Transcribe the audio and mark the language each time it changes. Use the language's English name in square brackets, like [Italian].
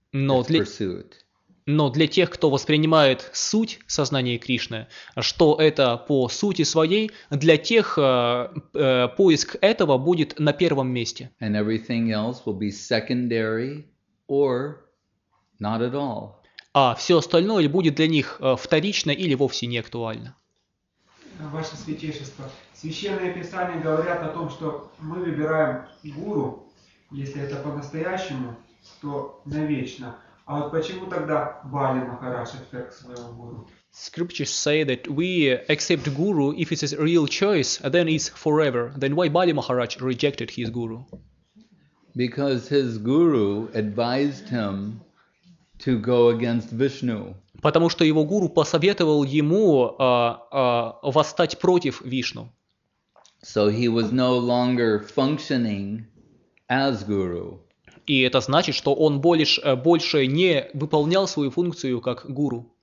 [Russian] Но для, тех, кто воспринимает суть сознания Кришны, что это по сути своей, для тех поиск этого будет на первом месте. [English] And everything else will be secondary or not at all. [Russian] А все остальное будет для них вторично или вовсе не актуально. Ваше святейшество, священные писания говорят о том, что мы выбираем гуру, если это по-настоящему, то навечно. А вот почему тогда Бали Махарадж отверг своего гуру? [English] Scriptures say that we accept guru if it's a real choice, then it's forever. Then why Бали Махарадж rejected his guru? Because his guru advised him to go against Vishnu. [Russian] Потому что его гуру посоветовал ему восстать против Вишну. [English] So he was no longer functioning as guru. [Russian] И это значит, что он больше не выполнял свою функцию как гуру.